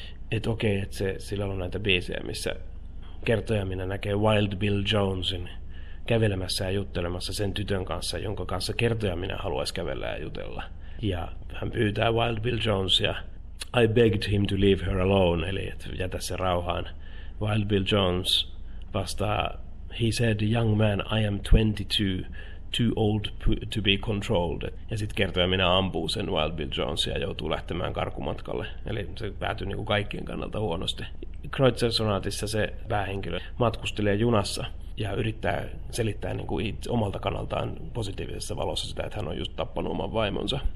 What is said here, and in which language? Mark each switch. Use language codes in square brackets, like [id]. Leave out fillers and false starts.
[fi] Että okei, että se, sillä on näitä biisejä, missä kertoja minä näkee Wild Bill Jonesin kävelemässä ja juttelemassa sen tytön kanssa, jonka kanssa kertoja minä haluaisi kävellä ja jutella. Ja hän pyytää Wild Bill Jonesia, [en] I begged him to leave her alone, [fi] eli että jätä se rauhaan. Wild Bill Jones vastaa, [en] he said, young man, I am 22, too old to be controlled. [fi] Ja sitten kertoja minä ampuu sen Wild Bill Jonesia ja joutuu lähtemään karkumatkalle. Eli se päätyy niin kuin kaikkien kannalta huonosti. Kreutzer sonaatissa se päähenkilö matkustelee junassa ja yrittää selittää niin kuin itse, omalta kannaltaan positiivisessa valossa sitä, että hän on just tappanut oman vaimonsa.